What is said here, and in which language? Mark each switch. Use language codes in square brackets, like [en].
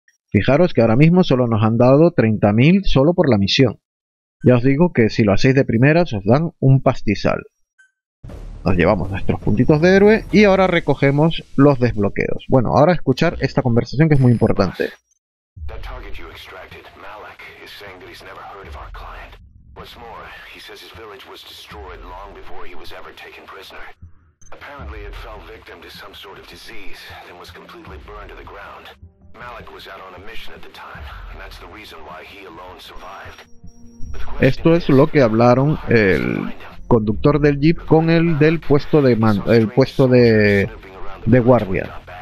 [es] Fijaros que ahora mismo solo nos han dado 30.000 solo por la misión. Ya os digo que si lo hacéis de primeras os dan un pastizal. Nos llevamos nuestros puntitos de héroe y ahora recogemos los desbloqueos. Bueno, ahora escuchar esta conversación que es muy importante. [en] That target you extracted, Malak, is saying that he's never heard of our client. What's more, he says his village was destroyed long before he was ever taken prisoner. Apparently it fell victim to some sort of disease, then was completely burned to the ground. Malak was out on a mission at the time, and that's the reason why he alone survived. [es] Esto es lo que hablaron el conductor del jeep con el del puesto de mando, el puesto de guardia.